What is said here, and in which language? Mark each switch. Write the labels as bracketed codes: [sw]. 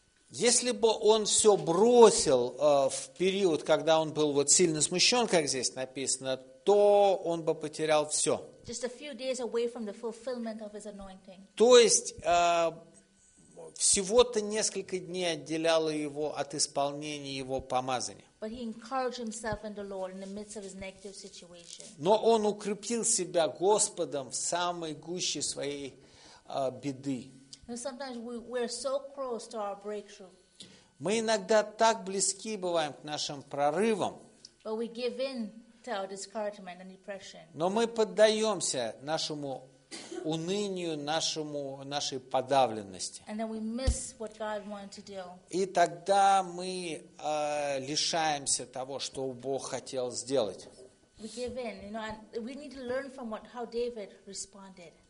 [ru] Если бы он все бросил в период, когда он был вот сильно смущен, как здесь написано, то он бы потерял все. [en] Just a few days away from the fulfillment of his anointing. [ru] То есть всего-то несколько дней отделяло его от исполнения его помазания. [en] But he encouraged himself in the Lord in the midst of his negative situation. [ru] Но он укрепил себя Господом в самой гуще своей беды. [en] And sometimes we're so close to our breakthrough. [ru] Мы иногда так близки бываем к нашим прорывам. [en] But we give in to our discouragement and depression. [ru] Но мы поддаемся нашему унынию, нашей подавленности. [en] And then we miss what God wanted to do. [ru] И тогда мы лишаемся того, что Бог хотел сделать. [en] We give in, you know, and we need to learn from how David responded.